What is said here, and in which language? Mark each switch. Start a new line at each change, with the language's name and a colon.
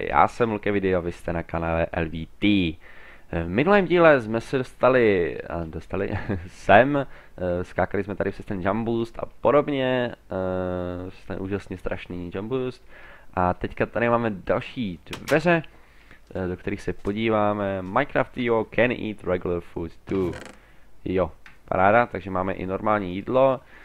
Czech: Já jsem Luke Video, vy jste na kanále LVT. V minulém díle jsme se dostali sem, skákali jsme tady přes ten jumboost a podobně, ten úžasně strašný jumboost. A teďka tady máme další dveře, do kterých se podíváme.
English: Minecraft.io can eat regular food too.
Czech: Jo, paráda, takže máme i normální jídlo.